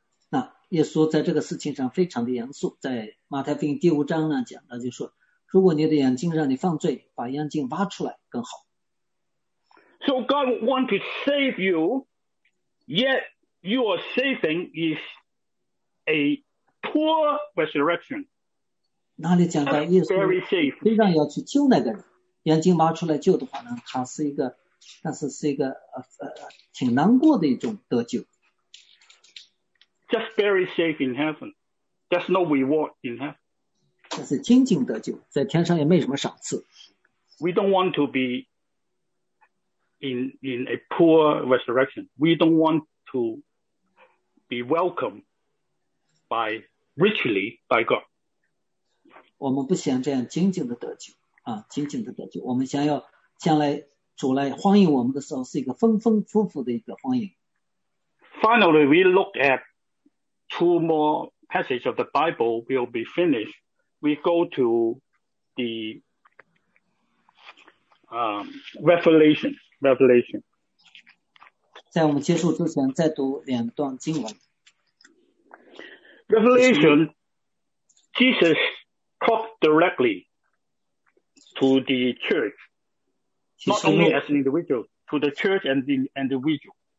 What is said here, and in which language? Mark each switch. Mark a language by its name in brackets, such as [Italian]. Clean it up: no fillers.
[Chinese] 那耶稣在这个事情上非常的严肃，在马太福音第五章呢讲的就是说，如果你的眼睛让你犯罪，把眼睛挖出来更好。 [English] So God want to save you, yet your saving is a poor resurrection. [Chinese] 那里讲到耶稣非常要去救那个人，眼睛挖出来救的话呢，他是一个，但是是一个挺难过的一种得救。 [English] Just very safe in heaven. There's no reward in heaven. [Chinese] 但是仅仅得救，在天上也没什么赏赐。 [English] We don't want to be in a poor resurrection. We don't want to be welcomed by richly by God. [Chinese] 我们不想这样仅仅的得救啊，仅仅的得救。我们想要将来主来欢迎我们的时候是一个丰丰富富的一个欢迎。 [English] Finally, we look at two more passages of the Bible. We'll be finished. We go to the Revelation. [Chinese] 在我们结束之前，再读两段经文。 [English] Revelation, Jesus talked directly to the church. Not only as an individual, to the church and the individual.